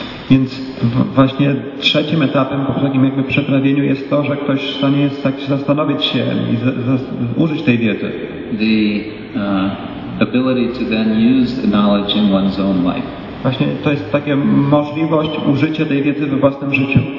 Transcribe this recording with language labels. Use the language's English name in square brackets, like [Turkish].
[Polish] Więc właśnie trzecim etapem, po takim jakby przetrawieniu, jest to, że ktoś w stanie jest tak zastanowić się i użyć tej wiedzy. [English] The ability to then use the knowledge in one's own life. [Polish] Właśnie to jest takie możliwość użycia tej wiedzy we własnym życiu.